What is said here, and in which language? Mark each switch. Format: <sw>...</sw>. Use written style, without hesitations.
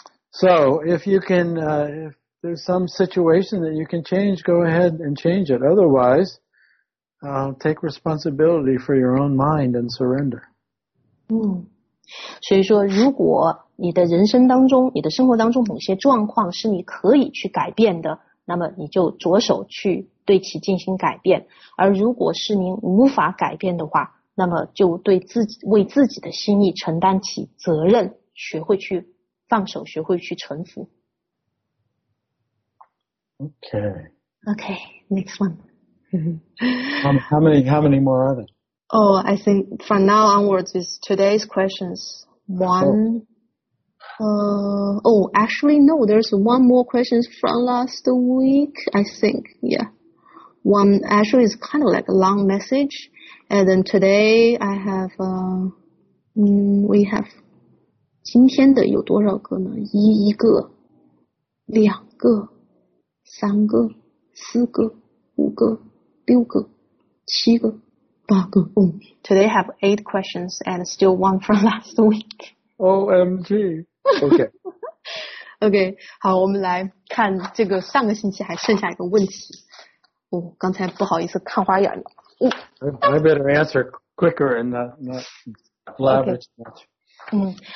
<en>So, if you can, if there's some situation that you can change, go ahead and change it. Otherwise, take responsibility for your own mind and surrender.</en> <zh>所以说，如果你的人生当中、你的生活当中某些状况是你可以去改变的，那么你就着手去对其进行改变。而如果是您无法改变的话，那么就对自己为自己的心意承担起责任，学会去放手，学会去臣服。</zh> <en>Okay. Next one. How many more are there? Oh, I think from now onwards is today's questions. No, there's one more question from last week, I think. Yeah. One actually is kind of like a long message. And then today, I have, we have,</en> <zh>今天的有多少个呢？一个，两个，三个，四个，五个，六个，七个，八个。</zh> <en>Today I have 8 questions and still one from last week. OMG. Okay.</en> <zh>okay, 好，我们来看这个上个星期还剩下一个问题。哦，刚才不好意思看花眼了。</zh> <en>I better answer quicker and not lavish much.</en>